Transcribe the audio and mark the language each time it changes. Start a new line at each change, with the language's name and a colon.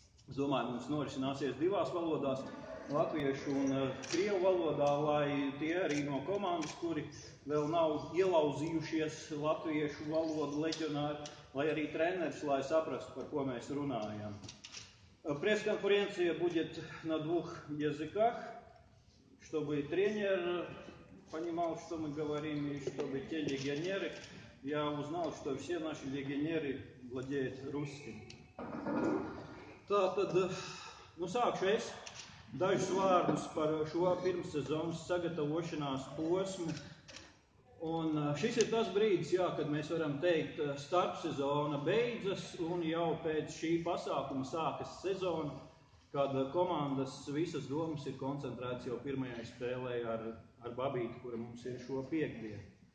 Latvian: Es domāju, mums norisināsies divās valodās, latviešu un krievu valodā, lai tie arī no komandas, kuri vēl nav ielauzījušies latviešu valodu leģionāri, lai arī treneris, lai saprastu, par ko mēs runājam.
Russian: Пресс-конференция будет на двух языках, чтобы тренер понимал, что мы говорим, и чтобы те легионеры... Я узнал, что все наши легионеры владеют русским.
Latvian: Tātad, nu sākšu es dažus vārdus par šo pirmsezonas sagatavošanās posmu. Un šis ir tas brīdis, jā, kad mēs varam teikt, starpsezona beidzas un jau pēc šī pasākuma sākas sezona, kad komandas visas domas ir koncentrētas jau pirmajai spēlē ar Babīti, kura mums ir šo piekdienu.